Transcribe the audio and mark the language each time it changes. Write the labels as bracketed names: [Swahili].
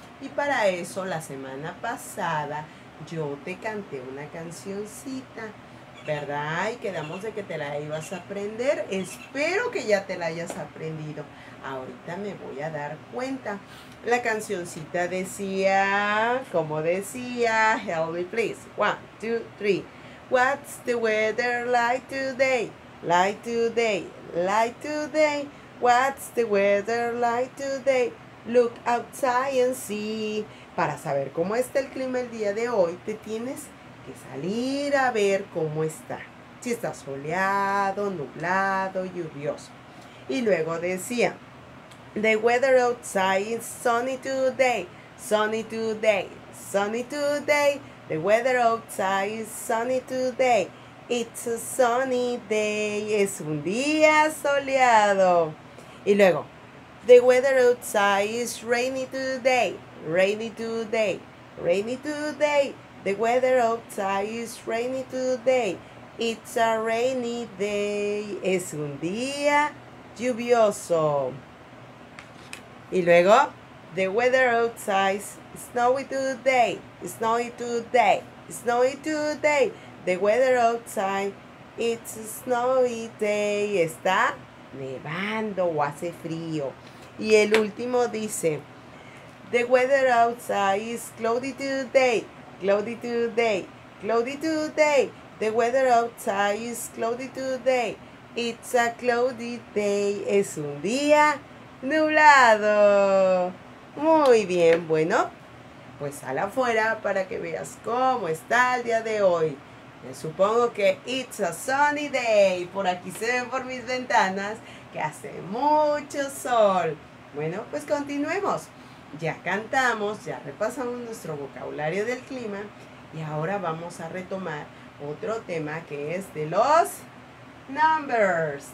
[Spanish] Y para eso, la semana pasada, yo te canté una cancioncita, ¿verdad? Y quedamos de que te la ibas a aprender. Espero que ya te la hayas aprendido. Ahorita me voy a dar cuenta. La cancioncita decía, como decía, [English] help me please. One, two, three. What's the weather like today? Like today, like today. What's the weather like today? Look outside and see. [Spanish] Para saber cómo está el clima el día de hoy, te tienes que salir a ver cómo está. Si está soleado, nublado, lluvioso. Y luego decía, [English] the weather outside is sunny today, sunny today, sunny today. The weather outside is sunny today. It's a sunny day. [Spanish] Es un día soleado. Y luego, [English] the weather outside is rainy today. Rainy today. Rainy today. The weather outside is rainy today. It's a rainy day. [Spanish] Es un día lluvioso. Y luego, [English] the weather outside is snowy today. Snowy today. Snowy today. The weather outside, it's a snowy day. [Spanish] Está nevando o hace frío. Y el último dice, [English] the weather outside is cloudy today. Cloudy today. Cloudy today. The weather outside is cloudy today. It's a cloudy day. [Spanish] Es un día nublado. Muy bien. Bueno, pues sal afuera para que veas cómo está el día de hoy. Supongo que [English] it's a sunny day. [Spanish] Por aquí se ven por mis ventanas que hace mucho sol. Bueno, pues continuemos. Ya cantamos, ya repasamos nuestro vocabulario del clima. Y ahora vamos a retomar otro tema que es de los numbers.